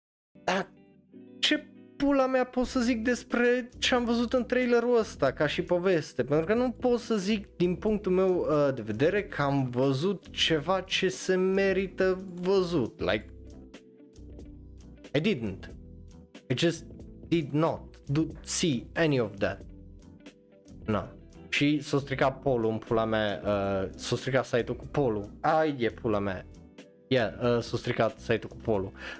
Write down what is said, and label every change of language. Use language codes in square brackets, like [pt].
[ro] Dar ce pula mea pot să zic despre ce am văzut în trailerul ăsta ca și poveste? Pentru că nu pot să zic din punctul meu de vedere că am văzut ceva ce se merită văzut. [en] Like, I didn't. I just did not see any of that. No. [ro] Și s-a stricat polul în pula mea, s-a stricat site-ul cu polul. Ai de pula mea. [en] Yeah, [ro] s-a stricat site-ul cu polul.